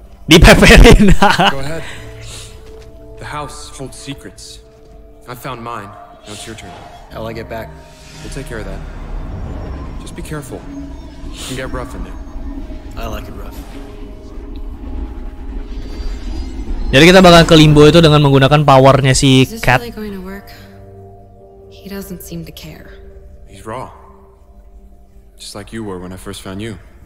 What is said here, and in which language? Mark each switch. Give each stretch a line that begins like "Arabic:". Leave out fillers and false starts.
English: Dipeperin. Go ahead. The house holds secrets. I found mine. Now it's your turn. How'll I get back? We'll take care of that. Just be careful. You can get rough in there. I like it rough.
Indonesian: Jadi kita bakal ke limbo itu dengan menggunakan powernya si Cat.
English: He doesn't seem to care. He's raw. Just like you were when I first found you.